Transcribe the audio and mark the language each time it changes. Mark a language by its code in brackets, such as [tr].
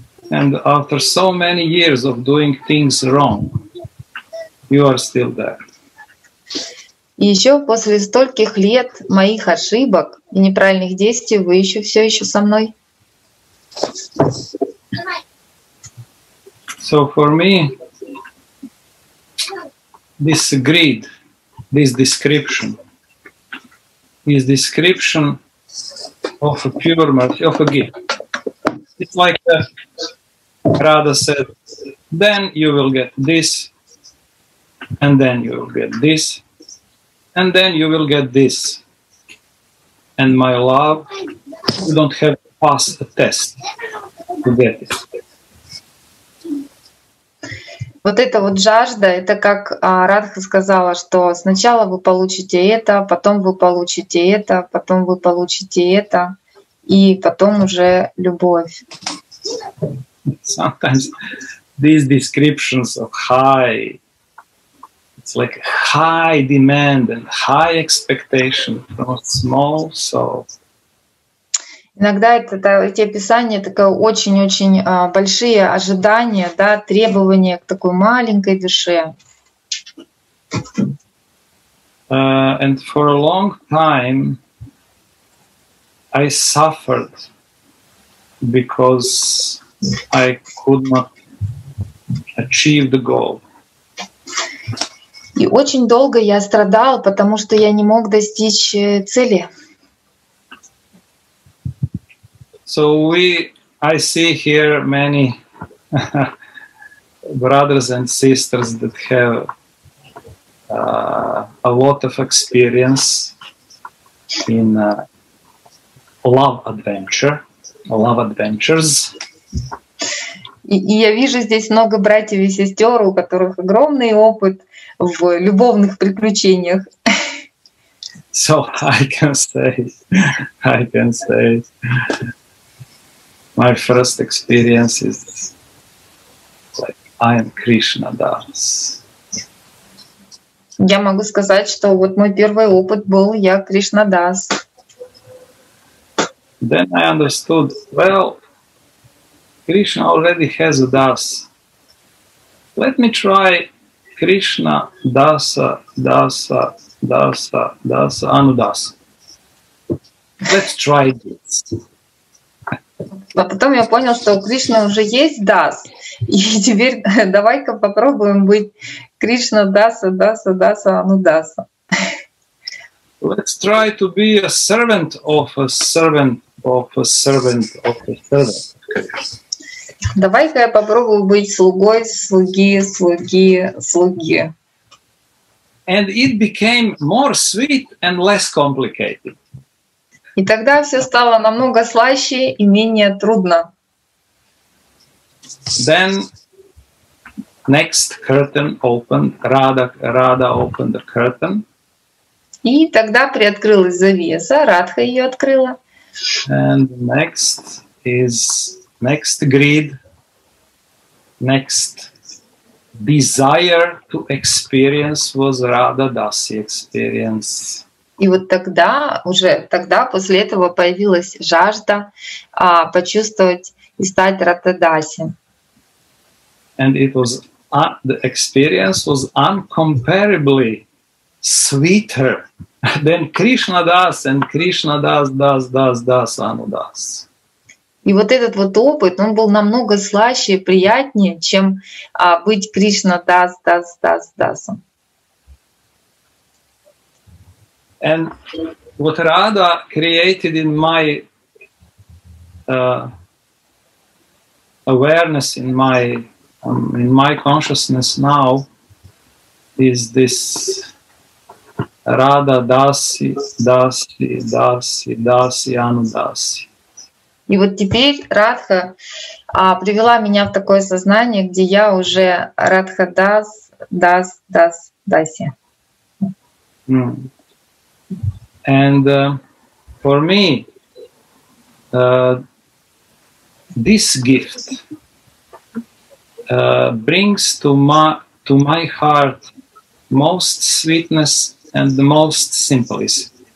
[en] And after so many years of doing things wrong, you are still there. [ru] Еще после стольких лет моих ошибок и неправильных действий вы еще все еще со мной. [en] So for me, this greed, this description, is description of a pure mercy, of a gift. It's like a Radha said, then you will get this, and then you will get this, and then you will get this. And my love, you don't have to pass a test to get it. [ru] Вот эта вот жажда, это как Радха сказала, что сначала вы получите это, потом вы получите это, потом вы получите это, и потом уже любовь. [en] Sometimes these descriptions of high, it's like high demand and high expectation from a small soul. [ru] Иногда это эти описания, такое очень-очень большие ожидания, да, требования к такой маленькой душе. [en] And for a long time I suffered because I could not achieve the goal. [ru] И очень долго я страдал, потому что я не мог достичь цели. [en] So I see here many brothers and sisters that have a lot of experience in love adventures. [ru] И я вижу здесь много братьев и сестер, у которых огромный опыт в любовных приключениях. [en] So I can say my first experience is like I am Krishna Das. [ru] Я могу сказать, что вот мой первый опыт был я Кришна Дас. [en] Then I understood, well, Krishna already has a das. Let me try Krishna dasa dasa dasa dasa anudasa. Let's try this. [ru] А потом я понял, что у Кришны уже есть дас, и теперь давай-ка попробуем быть Кришна даса даса даса анудаса. [en] Let's try to be a servant of a servant of a servant of a servant. [ru] Давай-ка я попробую быть слугой, слуги, слуги, слуги. [en] And it became more sweet and less complicated. [ru] И тогда все стало намного слаще и менее трудно. [en] Then next curtain opened, Radha opened the curtain. [ru] И тогда приоткрылась завеса, Радха ее открыла. [en] And next is next greed, next desire to experience was Radha Dasi experience. [ru] И вот тогда, уже тогда, после этого появилась жажда почувствовать и стать Ратадаси. [en] And it was, the experience was incomparably sweeter than Krishna Das and Krishna Das Das Das Das Anudas. [ru] И вот этот вот опыт, он был намного слаще и приятнее, чем быть Кришна Das Das Das Das. [en] And what Radha created in my awareness, in my consciousness now, is this Radha Dasi, Dasi, Dasi, Dasi, Anudasi. [ru] И вот теперь Радха привела меня в такое сознание, где я уже Радха Дас, Дас, Дас, Даси. Mm. [en] And for me, this gift brings to my heart most sweetness and the most simplicity.